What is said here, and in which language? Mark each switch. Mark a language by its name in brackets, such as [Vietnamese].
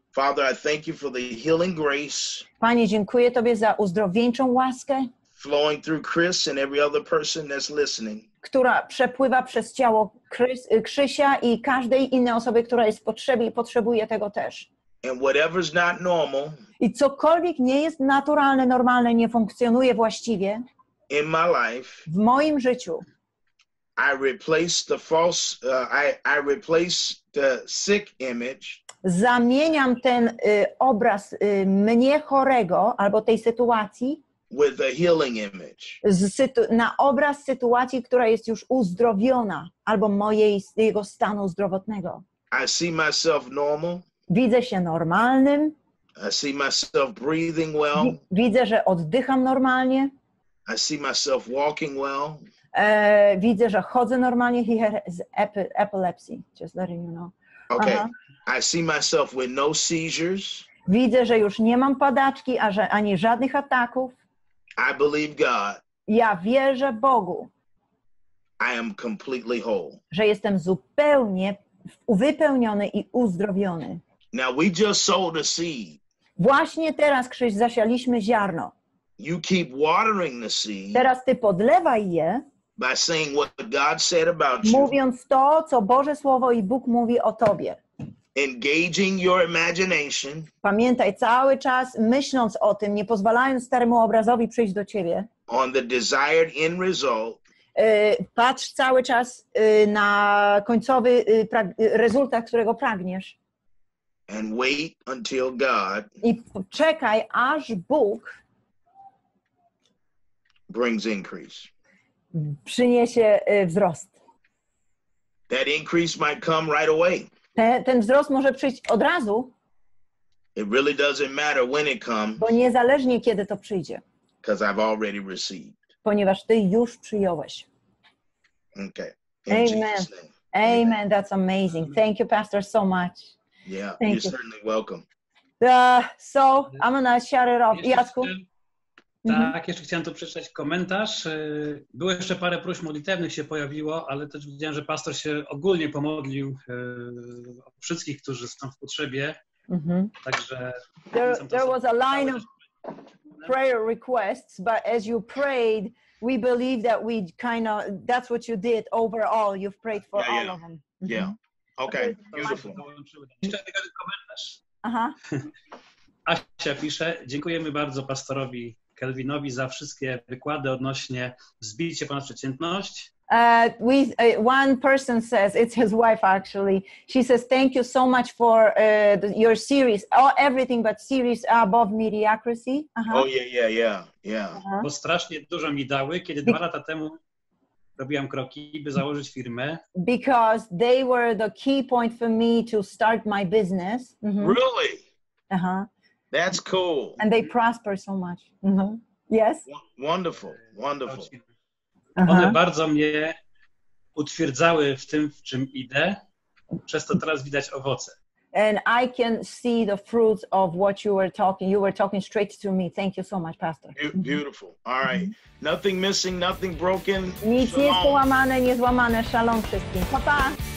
[English] Father, I thank you for the healing grace, [Polish] Panie, dziękuję Tobie za uzdrowieńczą łaskę, [English] flowing through Chris and every other person that's listening, [Polish] która przepływa przez ciało Krzysia i każdej innej osoby, która jest w potrzebie i potrzebuje tego też. [English] And whatever's not normal, [Polish] i cokolwiek nie jest naturalne, normalne, nie funkcjonuje właściwie [English] in my life, [Polish] w moim życiu, [English] I replace the false, I replace the sick image, [Polish] zamieniam ten obraz mnie chorego albo tej sytuacji [English] with a healing image, [Polish] na obraz sytuacji, która jest już uzdrowiona albo jego stanu zdrowotnego. [English] I see myself normal. [Polish] Widzę się normalnym. [English] I see myself breathing well. [Polish] Widzę, że oddycham normalnie. [English] I see myself walking well. [Polish] Widzę, że chodzę normalnie. [English] He has epilepsy, just letting you know. Okay. Uh-huh. I see myself with no seizures. [Polish] Widzę, że już nie mam padaczki, ani żadnych ataków. [English] I believe God. [Polish] Ja wierzę Bogu. [English] I am completely whole. [Polish] Że jestem zupełnie uwypełniony i uzdrowiony. [English] Now we just sowed a seed. [Polish] Właśnie teraz, Krzyś, zasialiśmy ziarno. [English] You keep watering the seed. [Polish] Teraz ty podlewaj je. [English] By saying what God said about you. [Polish] Mówiąc to, co Boże Słowo i Bóg mówi o tobie. [English] Engaging your imagination. [Polish] Pamiętaj cały czas, myśląc o tym, nie pozwalając staremu obrazowi przyjść do ciebie. [English] On the desired end result. [Polish] Patrz cały czas na końcowy rezultat, którego pragniesz. [English] And wait until God. [Polish] I czekaj, aż Bóg [English] brings increase. [Polish] Przyniesie wzrost. [English] That increase might come right away. [Polish] Ten wzrost może przyjść od razu. [English] It really doesn't matter when it comes. [Polish] Bo niezależnie kiedy to przyjdzie. [English] Because I've already received. [Polish] Ponieważ ty już przyjąłeś. [English] Okay. Amen. Amen. Amen. That's amazing. Thank you, Pastor, so much. Yeah, thank you're you. Certainly welcome. So, I'm gonna share it off. Jacku. [Polish] Tak, mm-hmm. Jeszcze chciałem tu przeczytać komentarz. Było jeszcze parę próśb modlitewnych się pojawiło, ale też widziałem, że pastor się ogólnie pomodlił o wszystkich, którzy są w potrzebie. Mm-hmm. Także [English] there was a line of prayer requests, but as you prayed, we believe that we kind of that's what you did overall. You've prayed for all of them. Mm-hmm. Yeah. Okay. Beautiful. [Polish] Jeszcze jeden komentarz. Aha. Asia pisze: dziękujemy bardzo pastorowi Kelvinowi za wszystkie wykłady odnośnie wzbicie ponad przeciętność. [English] One person says, it's his wife actually, she says, thank you so much for your series, everything but series above mediocrity. Uh-huh. Oh yeah, yeah, yeah, yeah. Uh-huh. [Polish] Bo strasznie dużo mi dały, kiedy dwa lata temu robiłam kroki, by założyć firmę. [English] Because they were the key point for me to start my business. Mm-hmm. Really? Uh-huh. That's cool. And they prosper so much. Mm-hmm. Yes? Wonderful, wonderful. Uh-huh. [Polish] One bardzo mnie utwierdzały w tym, w czym idę. Przez to teraz widać owoce. [English] And I can see the fruits of what you were talking. You were talking straight to me. Thank you so much, Pastor. Beautiful. All right. Mm-hmm. Nothing missing, nothing broken. [Polish] Nic nie jest połamane, nie złamane. Shalom wszystkim. Pa, pa.